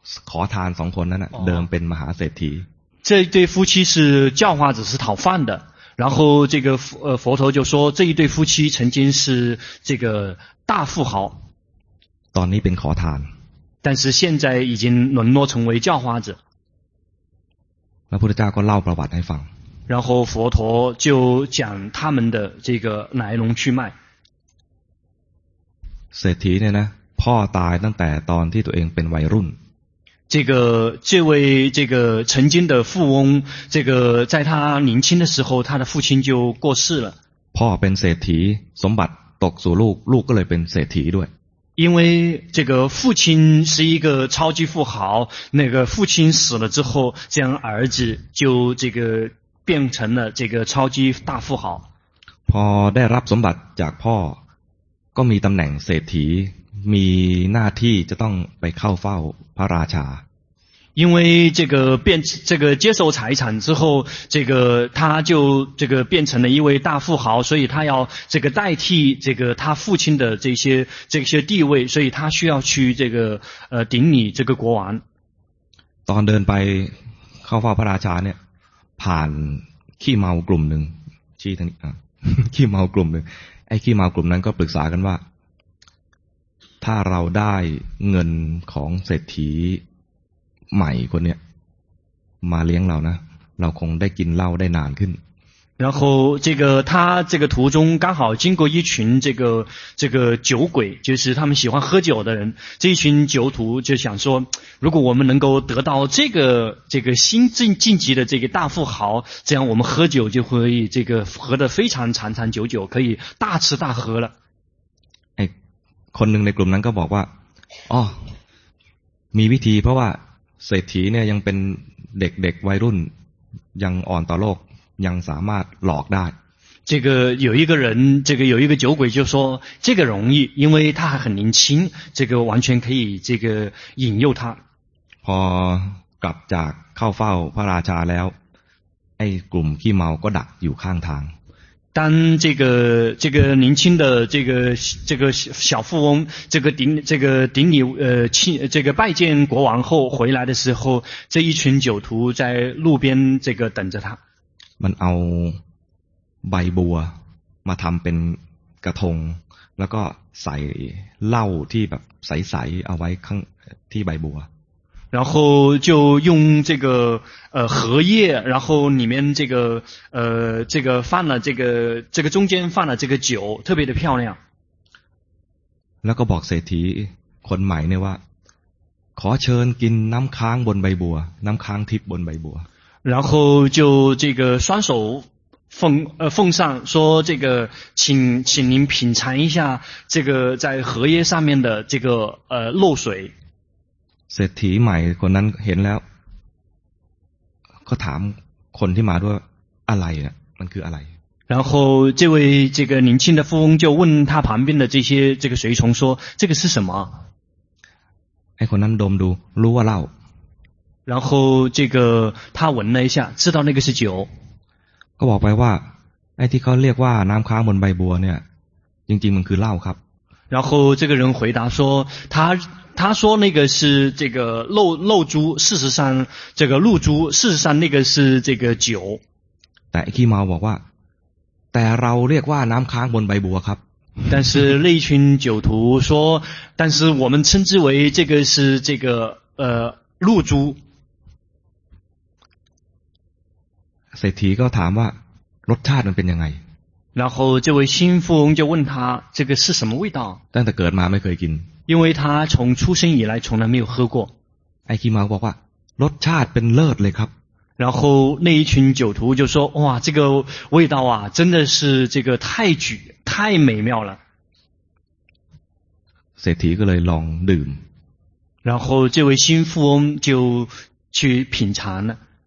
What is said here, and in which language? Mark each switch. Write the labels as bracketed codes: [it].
[th] ขอทานสองคนนั้นน่ะเดิมเป็นมหาเศรษฐี [zh] 这对夫妻是叫花子是讨饭的然后这个佛陀就说这一对夫妻曾经是这个大富豪 [th] ตอนนี้เป็นขอทาน [zh] 但是现在已经沦落成为叫花子 [th] แล้วพระพุทธเจ้าก็เล่าประวัติให้ฟัง [zh] 然后佛陀就讲他们的这个来龙去脉 [th] เศรษฐีเนี่ยนะพ่อตายตั้งแต่ตอนที่ตัวเองเป็นวัยรุ่น [zh] 这位这个曾经的富翁这个在他年轻的时候他的父亲就过世了 [th] พ่อเป็นเศรษฐีสมบัติต กสู่ลูกลูกก็เลยเป็นเศรษฐีด้วย [zh] 因为这个父亲是一个超级富豪那个父亲死了之后这样儿子就这个变成了这个超级大富豪 [th] พอได้รับสมบัติจากพ่อก็มีตำแหน่งเศรษฐีมีหน้าที่จะต้องไปเข้าเฝ้าพระราชา [zh] 因为这个变这个接受财产之后这个他就这个变成了一位大富豪所以他要这个代替这个他父亲的这些地位所以他需要去这个顶礼这个国王 [th] ตอนเดินไปเข้าเฝ้าพระราชาเนี่ยผ่านขี้เมากลุ่มหนึ่งชื่อท่านขี้เมากลุ่มหนึ่งไอ้ขี้เมากลุ่มนั้นก็ปรึกษากันว่าถ้าเราได้เงินของเศรษฐีใหม่คนเนี้ยมาเลี้ยงเรานะเราคงได้กินเหล้าได้นานขึ้น [zh] 然后这个他这个途中刚好经过一群这个酒鬼就是他们喜欢喝酒的人这一群酒徒就想说如果我们能够得到这个新晋级的这个大富豪这样我们喝酒就会这个喝得非常长长久久可以大吃大喝了 [th] 哎คนหนึ่งในกลุ่มนั้นก็บอกว่าอ๋อมีวิธีเพราะว่าเศรษฐีเนี่ยยังเป็นเด็กๆวัยรุ่นยังอ่อนต่อโลกยังสามารถหลอกได้ [zh] 这个有一个人这个有一个酒鬼就说这个容易因为他还很年轻这个完全可以这个引诱他 [th] พอกลับจากเข้าเฝ้าพระราชาแล้วไอ้กลุ่มขี้เมาก็ดักอยู่ข้างทาง [zh] 当这个年轻的这个小富翁这个顶礼这个拜见国王后回来的时候这一群酒徒在路边这个等着他 [th] มันเอาใบบัวมาทำเป็นกระทงแล้วก็ใส่เหล้าที่แบบใสๆเอาไว้ข้างที่ใบบัว [zh] 然后就用这个荷叶然后里面这个放了这个中间放了这个酒特别的漂亮 [th] แล้วก็บอกเศรษฐีคนใหม่เนี่ยว่าขอเชิญกินน้ำค้างบนใบบัวน้ำค้างทิพย์บนใบบัว [zh] 然后就这个双手奉上说这个请您品尝一下这个在荷叶上面的这个露水 [th] เศรษฐีใหม่คนนั้นเห็นแล้วก็ถามคนที่มาด้วยอะไรนะมันคืออะไร [zh] 然后这位这个年轻的富翁就问他旁边的这些这个随从说这个是什么 [th] ไอ้คนนั้นดมดูรู้ว่าเหล้า [zh] 然后这个他闻了一下知道那个是酒 [th] ก็บอกไปว่าไอ้ที่เขาเรียกว่าน้ำค้างบนใบบัวเนี่ยจริงๆมันคือเหล้าครับ [zh] 然后这个人回答说他说那个是这个露珠事实上这个露珠事实上那个是这个酒 [th] แต่ขี้เมาบอกว่าแต่เราเรียกว่าน้ำค้างบนใบบัวครับ [zh] 但是那群酒徒说但是我们称之为这个是这个露珠 [th] เศรษฐีก็ถามว่ารสชาติมันเป็นยังไง [zh] 然后这位新富翁就问他这个是什么味道 [th] ตั้งแต่เกิดมาไม่เคยกิน [zh] 因为他从出生以来从来没有喝过 [th] ไอ้ขี้เมาบอกว่ารสชาติเป็นเลิศเลยครับ [zh] 然后那一群酒徒就说哇这个味道啊真的是这个太美妙了 [th] เศรษฐีก็เลยลองดื่ม [zh] 然后这位新富翁就去品尝了